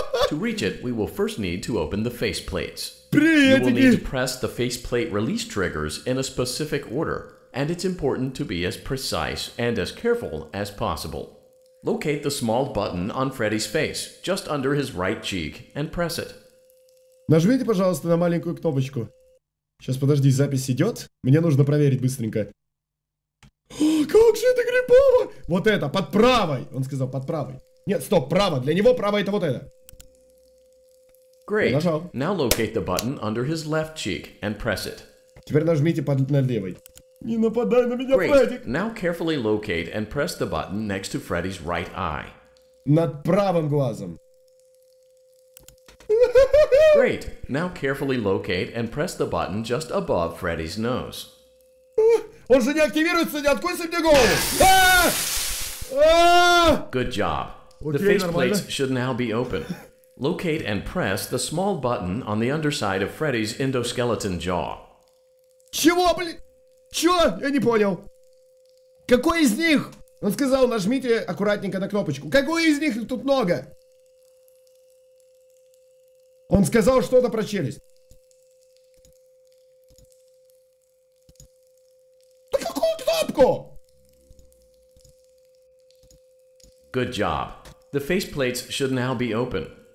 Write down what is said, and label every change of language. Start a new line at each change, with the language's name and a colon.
English: To reach it, we will first need to open the face plates. You will need to press the face plate release triggers in a specific order, and it's important to be as precise and as careful as possible. Locate the small button on Freddy's face, just under his right cheek, and press it.
Russian: Нажмите, пожалуйста, на маленькую кнопочку. Сейчас, подожди, запись идет. Мне нужно проверить быстренько. Как же это грибово! Вот это, под правой! Он сказал, под правой. Нет, стоп, право. Для него право это вот это.
English: Great.
Russian: Нажал.
English: Now locate the button under his left cheek and press it.
Russian: Теперь нажмите под на левой. Не нападай на меня,
English: Great.
Russian: Фредик!
English: Now carefully locate and press the button next to Freddy's right eye.
Russian: Над правым глазом.
English: Great. Now carefully locate and press the button just above Freddy's nose.
Russian: Он же не активируется, не откусит мне голову!
English: Good job. Okay, the face plates should now be open. Locate and press the small button on the underside of Freddy's endoskeleton jaw.
Russian: Чего, блин? Чё? Я не понял. Какой из них? Он сказал, нажмите аккуратненько на кнопочку. Какой из них? Их тут много. Он сказал что-то про челюсть. Да какую кнопку?
English: Good job. The face plates should now be open.